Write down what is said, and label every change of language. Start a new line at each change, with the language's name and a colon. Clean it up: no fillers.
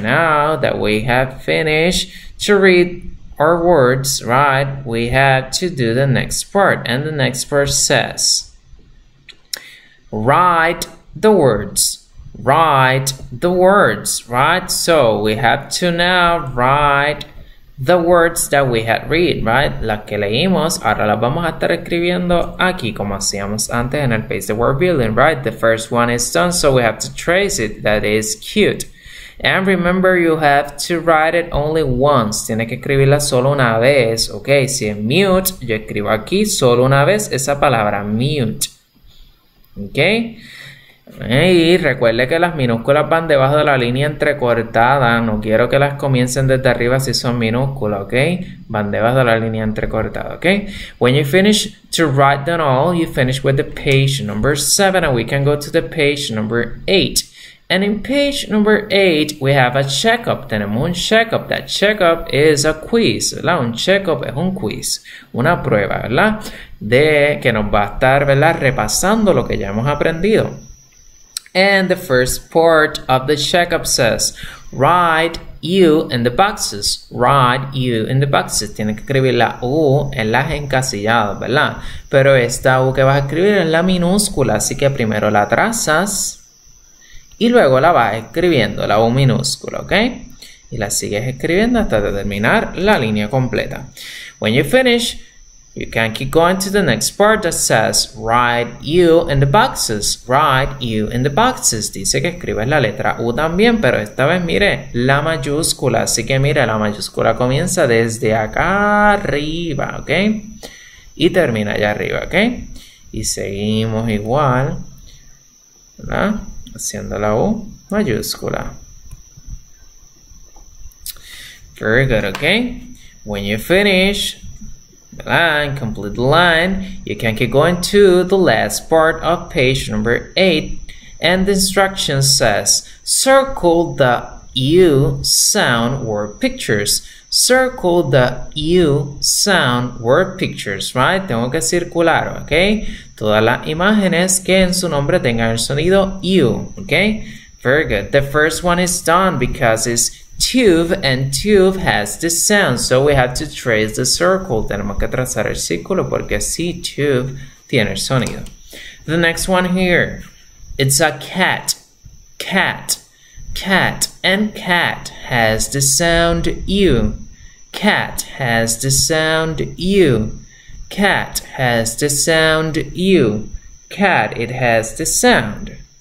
English: Now that we have finished to read our words, right, we have to do the next part. And the next part says, write the words, write the words, right? So we have to now write the words that we had read, right?
Spanish: Las que leímos, ahora las vamos a estar escribiendo aquí como hacíamos antes en el Clase Word Building, right?
English: The first one is done, so we have to trace it. That is cute. And remember, you have to write it only once.
Spanish: Tiene que escribirla solo una vez, ok? Si es mute, yo escribo aquí solo una vez esa palabra, mute. Ok? Y recuerde que las minúsculas van debajo de la línea entrecortada. No quiero que las comiencen desde arriba si son minúsculas, ¿ok? Van debajo de la línea entrecortada, ¿ok?
English: When you finish to write them all, you finish with the page number 7 and we can go to the page number 8. And in page number 8, we have a checkup.
Spanish: Tenemos un checkup.
English: That checkup is a quiz, ¿verdad?
Spanish: Un checkup es un quiz. Una prueba, ¿verdad? De que nos va a estar, ¿verdad? Repasando lo que ya hemos aprendido.
English: And the first part of the checkup says, write you in the boxes. Write you in the boxes.
Spanish: Tienes que escribir la U en las encasilladas, ¿verdad? Pero esta U que vas a escribir es la minúscula, así que primero la trazas y luego la vas escribiendo, la U minúscula, ¿ok? Y la sigues escribiendo hasta terminar la línea completa.
English: When you finish, you can keep going to the next part that says, write you in the boxes. Write you in the boxes.
Spanish: Dice que escribes la letra U también, pero esta vez mire la mayúscula. Así que mire, la mayúscula comienza desde acá arriba, ¿ok? Y termina allá arriba, ¿ok? Y seguimos igual, ¿verdad? Haciendo la U mayúscula.
English: Very good, okay? When you finish, and complete the line, you can keep going to the last part of page number 8, and the instruction says, circle the U sound word pictures. Circle the U sound word pictures, right?
Spanish: Tengo que circular, okay? Todas las imágenes que en su nombre tengan el sonido U, okay?
English: Very good. The first one is done because it's tube, and tube has this sound, so we have to trace the circle.
Spanish: Tenemos que trazar el círculo porque sí, tube tiene sonido.
English: The next one here, it's a cat. Cat, cat, and cat has the sound U. Cat has the sound U. Cat has the sound U. Cat, it has the sound.